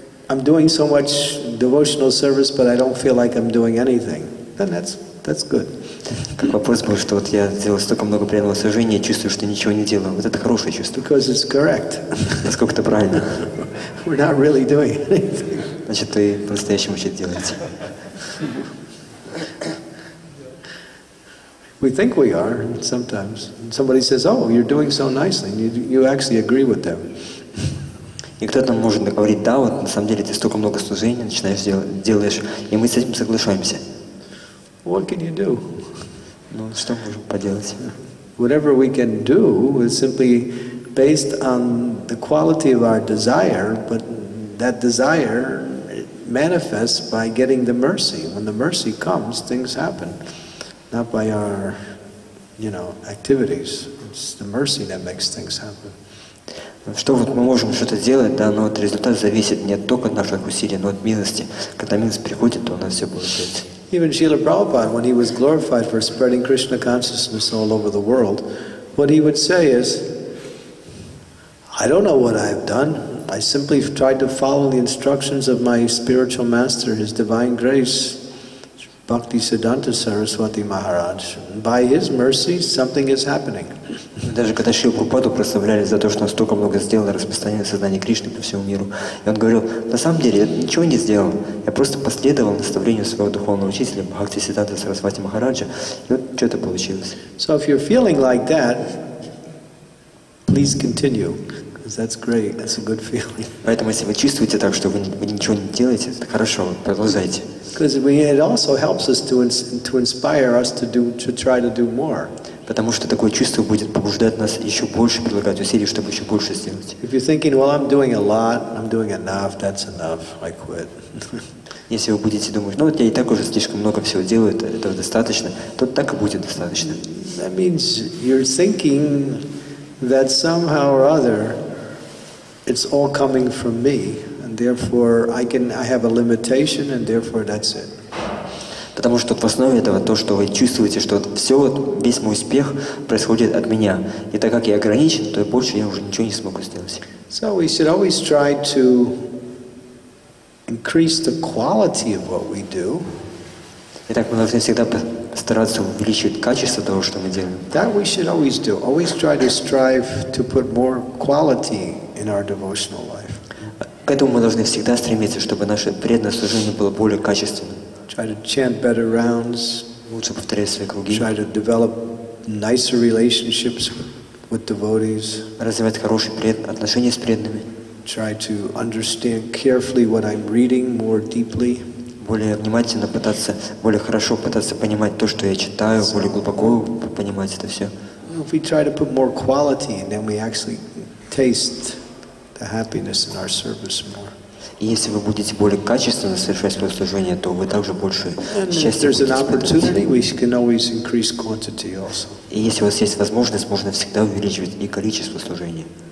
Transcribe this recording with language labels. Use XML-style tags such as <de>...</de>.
<en>I'm doing so much devotional service, but I don't feel like I'm doing anything. Then that's good.</en> <ru>Как вопрос был, что вот я сделал столько много преданного служения, чувствую, что ничего не делаю. Вот это хорошее чувство.</ru> <en>Because it's correct.</en> <ru>Насколько это правильно.</ru> <en>We're not really doing anything.</en> <ru>Значит, ты по-настоящему что-то делаете.</ru> <en>We think we are sometimes. And somebody says, "Oh, you're doing so nicely." And you actually agree with them.</en> <ru>И кто-то может говорить, да, вот на самом деле ты столько много служений начинаешь делаешь, и мы с этим соглашаемся.</ru> <en>What can you do?</en> <ru>Ну, что мы можем поделать?</ru> <en>Whatever we can do is simply based on the quality of our desire, but that desire manifests by getting the mercy. When the mercy comes, things happen. Not by our, you know, activities. It's the mercy that makes things happen.</en> <ru>Что вот мы можем что-то делать, да, но вот результат зависит не только от наших усилий, но от милости. Когда милость приходит, то у нас все будет.</ru> <en>Even Srila Prabhupada, when he was glorified for spreading Krishna consciousness all over the world, what he would say is, I don't know what I've done. I simply tried to follow the instructions of my spiritual master, his divine grace, Bhakti Siddhanta Saraswati Maharaj. By his mercy, something is happening.</en> <ru>Даже когда Шри Прабхупаду прославляли за то, что он столько много сделал на распространение сознания Кришны по всему миру, и он говорил, на самом деле я ничего не сделал, я просто последовал наставлению своего духовного учителя Бхакти Сиддханта Сарасвати Махараджа, и вот что-то получилось.</ru> <en>So if you're feeling like that, please continue, because that's great, that's a good feeling.</en> <ru>Поэтому если вы чувствуете так, что вы ничего не делаете, это хорошо, продолжайте.</ru> <en>Because it also helps us to inspire us to try to do more.</en> <ru>Потому что такое чувство будет побуждать нас еще больше прилагать усилий, чтобы еще больше сделать.</ru> <en>If you're thinking, well, I'm doing a lot, I'm doing enough, that's enough, I quit.</en> <ru>Если вы будете думать, ну вот я и так уже слишком много всего делаю, этого достаточно, то так и будет достаточно.</ru> <en>That means you're thinking that somehow or other it's all coming from me, and therefore I have a limitation, and therefore that's it.</en> <ru>Потому что в основе этого то, что вы чувствуете, что все, весь мой успех происходит от меня. И так как я ограничен, то больше я уже ничего не смогу сделать.</ru> <en>So we should always try to increase the quality of what we do.</en> <ru>Итак, мы должны всегда стараться увеличивать качество того, что мы делаем.</ru> <en>That we should always do. Always try to strive to put more quality in our devotional life.</en> <ru>К этому мы должны всегда стремиться, чтобы наше преданное служение было более качественным.</ru> <en>Try to chant better rounds.</en> <ru>Лучше повторять свои круги.</ru> <en>Try to develop nicer relationships with devotees.</en> <ru>Развивать хорошие отношения с преданными.</ru> <en>Try to understand carefully what I'm reading more deeply.</en> <ru>Более внимательно пытаться, более хорошо пытаться понимать то, что я читаю, более глубоко понимать это все.</ru> <en>if we try to put more quality, then we actually taste the happiness in our service more.</en> <ru>Если вы будете более качественно совершать свое служение, то вы также больше счастья будете испытывать. И если у вас есть возможность, можно всегда увеличивать и количество служения.</ru>